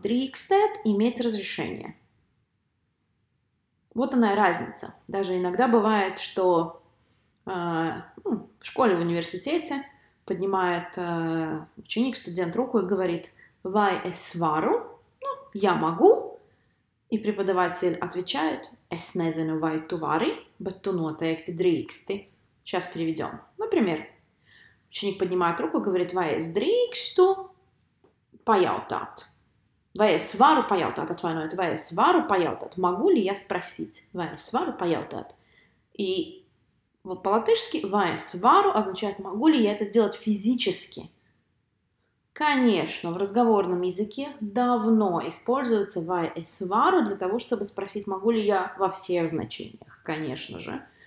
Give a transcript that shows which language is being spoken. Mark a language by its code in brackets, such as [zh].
[lv] Drīkstēt [ru] – иметь разрешение. Вот она и разница. Даже иногда бывает, что в школе, в университете поднимает ученик, студент руку и говорит [lv] «Vai es varu?» [ru] Ну, «Я могу». И преподаватель отвечает [lv] «Es nezinu, vai tu vari, bet tu noteikti drīksti». [ru] Сейчас переведем. Например, ученик поднимает руку и говорит [lv] «Vai es drīkstu pajautāt?» Vai es varu pajautāt, atvainojiet, vai es varu pajautāt, [ru] могу ли я спросить, [lv] vai es varu pajautāt. [ru] И вот по-латышски [lv] vai es varu [ru] означает, могу ли я это сделать физически. Конечно, в разговорном языке давно используется [lv] vai es varu [ru] для того, чтобы спросить, могу ли я во всех значениях, конечно же.